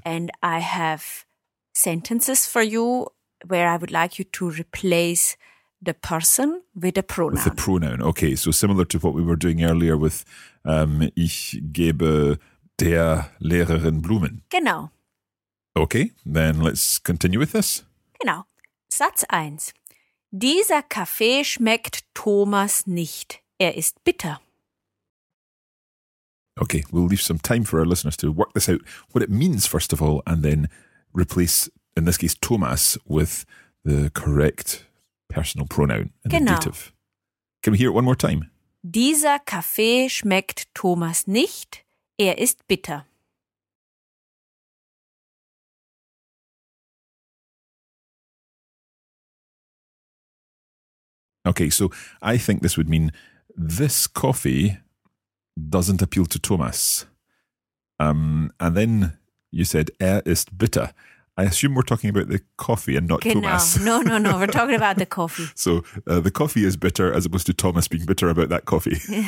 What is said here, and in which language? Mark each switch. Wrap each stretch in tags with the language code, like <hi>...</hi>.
<en>And I have sentences for you where I would like you to replace the person with a pronoun. With the pronoun, okay. So similar to what we were doing earlier with</en> <de>ich gebe der Lehrerin Blumen. Genau.</de> <en>Okay, then let's continue with this.</en> <de>Genau. Satz 1. Dieser Kaffee schmeckt Thomas nicht. Er ist bitter.</de> <en>Okay, we'll leave some time for our listeners to work this out, what it means first of all, and then replace, in this case, Thomas with the correct personal pronoun in</en> <de>genau.</de> <en>The dative. Can we hear it one more time?</en> <de>Dieser Kaffee schmeckt Thomas nicht. Er ist bitter.</de> <en>Okay, so I think this would mean this coffee doesn't appeal to Thomas. And then you said,</en> <de>er ist bitter.</de> <en>I assume we're talking about the coffee and not Thomas. No. We're talking about the coffee. So the coffee is bitter as opposed to Thomas being bitter about that coffee.</en>